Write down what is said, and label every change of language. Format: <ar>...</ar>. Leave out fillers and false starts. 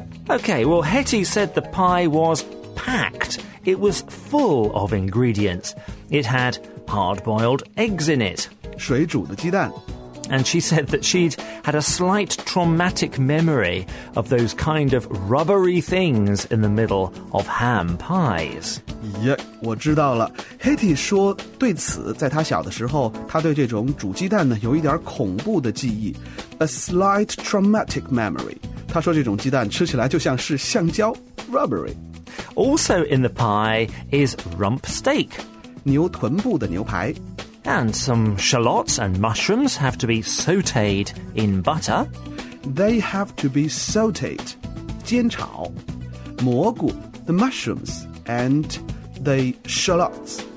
<en>Okay well Hetty said the pie was packedIt was full of ingredients. It had hard-boiled eggs in it.</en> <zh>水煮的鸡蛋。</zh> <en>And she said that she'd had a slight traumatic memory of those kind of rubbery things in the middle of ham pies.</en> <zh>Yeah, 我知道了。 Hattie 说对此在她小的时候她对这种煮鸡蛋呢有一点恐怖的记忆。</zh> <en>A slight traumatic memory.</en> <zh>她说这种鸡蛋吃起来就像是橡胶 rubbery.</zh> <en>Also in the pie is rump steak.</en> <zh>牛臀部的牛排。</zh> <en>And some shallots and mushrooms have to be sautéed in butter. They have to be sautéed. 煎炒。蘑菇, the mushrooms, and the shallots.</en>